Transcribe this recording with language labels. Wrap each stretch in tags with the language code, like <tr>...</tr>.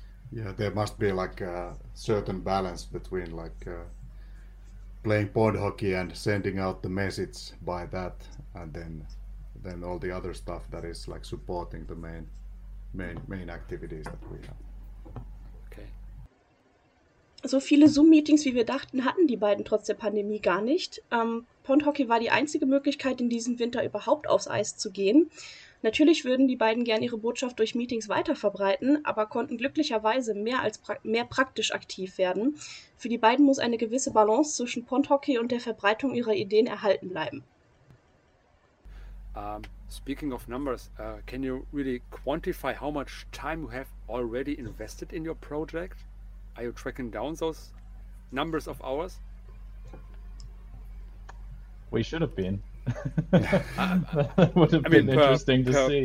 <en>Yeah, there must be like a certain balance between like playing pond hockey and sending out the message by that, and then all the other stuff that is like supporting the main activities that we have.</en> <de>So viele Zoom-Meetings, wie wir dachten, hatten die beiden trotz der Pandemie gar nicht. Pondhockey war die einzige Möglichkeit, in diesem Winter überhaupt aufs Eis zu gehen. Natürlich würden die beiden gern ihre Botschaft durch Meetings weiterverbreiten, aber konnten glücklicherweise mehr praktisch aktiv werden. Für die beiden muss eine gewisse Balance zwischen Pondhockey und der Verbreitung ihrer Ideen erhalten bleiben.</de> <en>Speaking of numbers, can you really quantify how much time you have already invested in your project? Are you tracking down those numbers of hours? We should have been. That would have been interesting to see.</en>